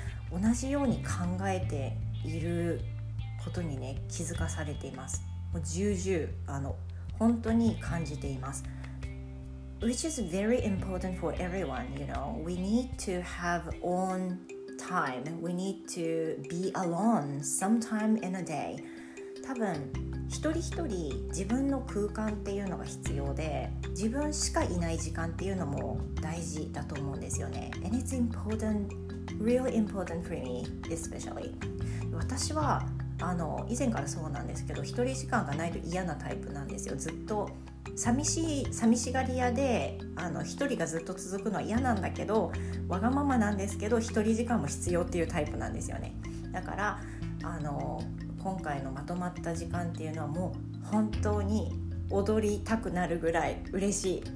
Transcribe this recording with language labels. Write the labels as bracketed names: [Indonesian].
[Japanese] 同じように考えていることにね気づかされています。もう重々あの本当に感じています。 [English] Which is very important for everyone, you know. We need to have own time. We need to be alone sometime in a day. [Japanese] 多分一人一人自分の空間っていうのが必要で、自分しかいない時間っていうのも大事だと思うんですよね。 [English] And it's important, really important for me especially。 [Japanese] 私はあの以前からそうなんですけど、一人時間がないと嫌なタイプなんですよ。ずっと寂しがり屋で、あの一人がずっと続くのは嫌なんだけど、わがままなんですけど一人時間も必要っていうタイプなんですよね。だからあの今回のまとまった時間っていうのはもう本当に踊りたくなるぐらい嬉しい。